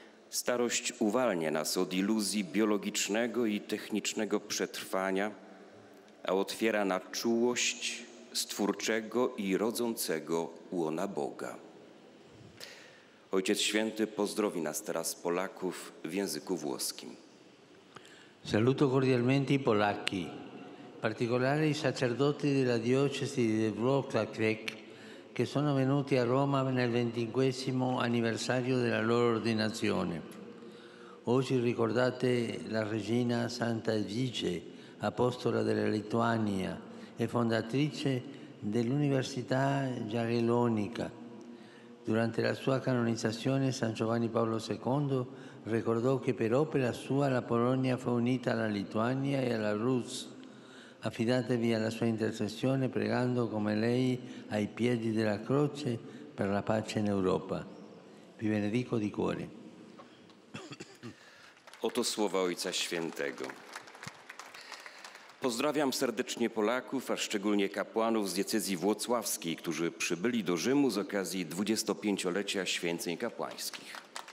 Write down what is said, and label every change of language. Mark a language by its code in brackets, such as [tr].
[pl] Starość uwalnia nas od iluzji biologicznego i technicznego przetrwania, a otwiera na czułość stwórczego i rodzącego łona Boga. Ojciec Święty pozdrowi nas teraz, Polaków, w języku włoskim. [it] Saluto cordialmente i Polacchi, in particolare i sacerdoti della diocesi di Wrocław-Krek, che sono venuti a Roma nel 25° anniversario della loro ordinazione. Oggi ricordate la regina Santa Edvige, apostola della Lituania e fondatrice dell'Università Jagellonica. Durante la sua canonizzazione, San Giovanni Paolo II ricordò che per opera sua la Polonia fu unita alla Lituania e alla Rus'. Affidatevi alla sua intercessione pregando come lei ai piedi della croce per la pace in Europa. Vi benedico di cuore. [pl] Oto słowa Ojca Świętego. Pozdrawiam serdecznie Polaków, a szczególnie kapłanów z diecezji włocławskiej, którzy przybyli do Rzymu z okazji 25-lecia święceń kapłańskich.